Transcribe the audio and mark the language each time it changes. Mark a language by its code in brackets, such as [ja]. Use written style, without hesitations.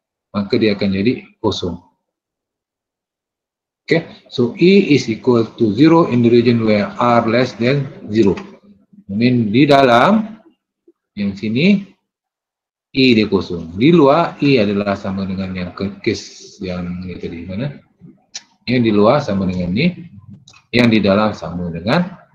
[ms] Maka dia akan jadi kosong. [en] Okay, so E is equal to 0 in the region where R less than 0. I mean [ms] di dalam yang sini E dia kosong. Di luar E adalah sama dengan yang case yang ni tadi mana? Yang di luar sama dengan ni, yang di dalam sama dengan.